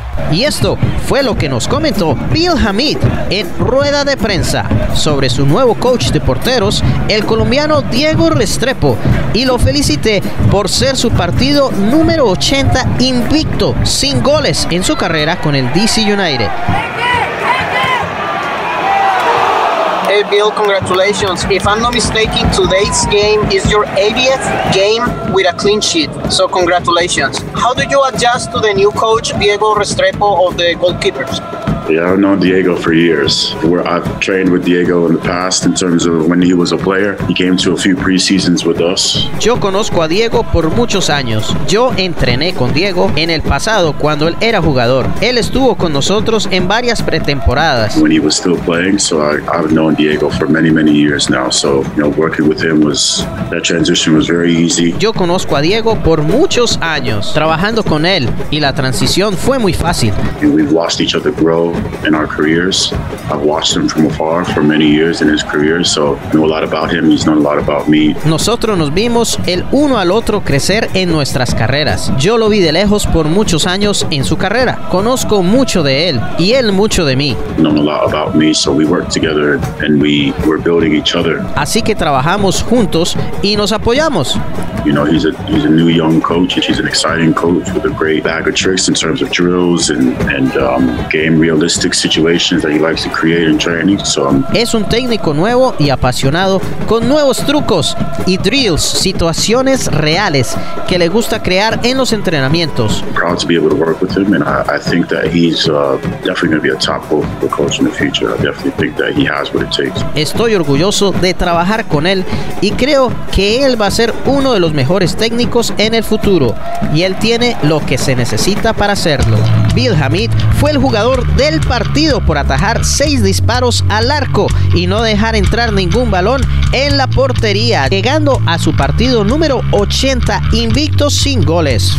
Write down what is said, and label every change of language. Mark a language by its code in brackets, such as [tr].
[es] Y esto fue lo que nos comentó Bill Hamid en rueda de prensa sobre su nuevo coach de porteros, el colombiano Diego Restrepo, y lo felicité por ser su partido número 80 invicto, sin goles en su carrera con el DC United. [en] Hey Bill, congratulations. If I'm not mistaken, today's game is your 80th game with a clean sheet. So congratulations. How do you adjust to the new coach, Diego Restrepo, of the goalkeepers? Yeah, I've known Diego for years. I've trained with Diego in the past in terms of when he was a player. He came to a few preseasons with us. [es] Yo conozco a Diego por muchos años. Yo entrené con Diego en el pasado cuando él era jugador. Él estuvo con nosotros en varias pretemporadas. [en] When he was still playing, so I've known Diego for many, many years now. So, you know, working with him was, that transition was very easy. [es] Yo conozco a Diego por muchos años, trabajando con él, y la transición fue muy fácil. [en] And we've watched each other grow in our careers. I've watched him from afar for many years in his career, so I know a lot about him. He's known a lot about me. [es] Nosotros nos vimos el uno al otro crecer en nuestras carreras. Yo lo vi de lejos por muchos años en su carrera. Conozco mucho de él y él mucho de mí. [en] Known a lot about me, so we worked together and we were building each other. [es] Así que trabajamos juntos y nos apoyamos. [en] You know, he's a new young coach, and he's an exciting coach with a great bag of tricks in terms of drills and game realistic situations that he likes to create in training. So [es] es un técnico nuevo y apasionado con nuevos trucos y drills, situaciones reales que le gusta crear en los entrenamientos. [en] Proud to be able to work with him, and I think that he's definitely going to be a top goalkeeper coach in the future. I definitely think that he has what it takes. [es] Estoy orgulloso de trabajar con él y creo que él va a ser uno de los mejores técnicos en el futuro, y él tiene lo que se necesita para hacerlo. Bill Hamid fue el jugador del partido por atajar 6 disparos al arco y no dejar entrar ningún balón en la portería, llegando a su partido número 80 invicto sin goles.